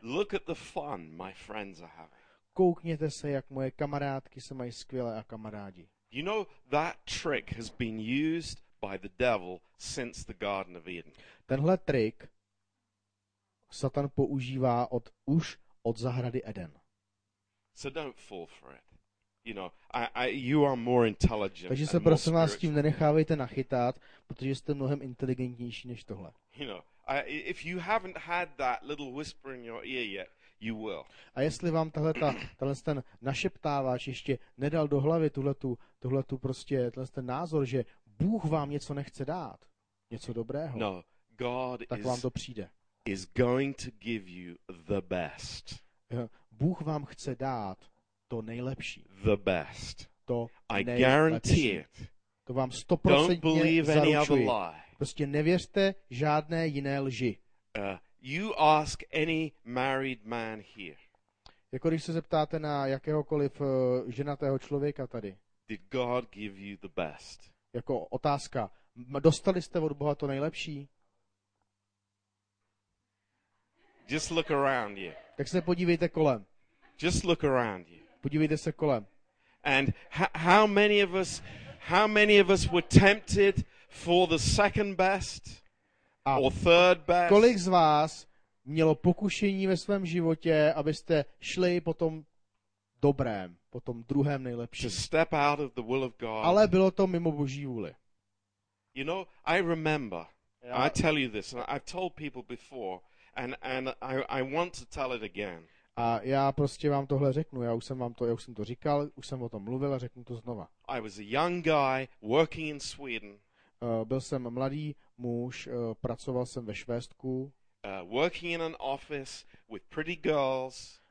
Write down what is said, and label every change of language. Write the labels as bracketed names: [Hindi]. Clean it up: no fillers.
[English] Look at the fun my friends are having. [Czech] Koukněte se, jak moje kamarádky se mají skvěle a kamarádi. [English] You know that trick has been used by the devil since the Garden of Eden. [Czech] Tenhle trik Satan používá už od zahrady Eden. [English] So don't fall for it. You know, I you are more intelligent. [Czech] Takže se prosím vás, tím nenechávejte nachytat, protože jste mnohem inteligentnější než tohle. [English] You know, if you haven't had that little whisper in your ear yet, you will. [Czech] A jestli vám tenhle ten našeptáváč ještě nedal do hlavy tuhletu prostě tenhle názor, že Bůh vám něco nechce dát, něco dobrého. [English] No, God [Czech] tak vám to přijde. [English] Is going to give you the best. [Czech] Bůh vám chce dát to nejlepší. [English] The best. [Czech] To nejlepší. [English] I guarantee it. [Czech] To vám 100% [English] Don't believe [Czech] zaručuji. [English] Any other lie. [Czech] Prostě nevěřte žádné jiné lži. [English] You ask any married man here. [Czech] Jako když se zeptáte na jakéhokoliv ženatého člověka tady. [English] Did God give you the best? [Czech] Jako otázka, dostali jste od Boha to nejlepší? [English] Just look around you. [Czech] Tak se podívejte kolem. [English] Just look around you. [Czech] Podívejte se kolem. [English] And how many of us were tempted for the second best? Or third best? [Czech] Kolik z vás mělo pokušení ve svém životě, abyste šli po tom dobrém, po tom druhém nejlepším? [English] To step out of the will of God. [Czech] Ale bylo to mimo Boží vůli. [English] You know, I remember. I tell you this, and I've told people before. And I want to tell it again. [Czech] A já prostě vám tohle řeknu. Já už jsem to říkal, už jsem o tom mluvil a řeknu to znova. [English] I was a young guy working in Sweden. [Czech] Byl jsem mladý muž, pracoval jsem ve Švédsku. [English] Working in an office with pretty girls.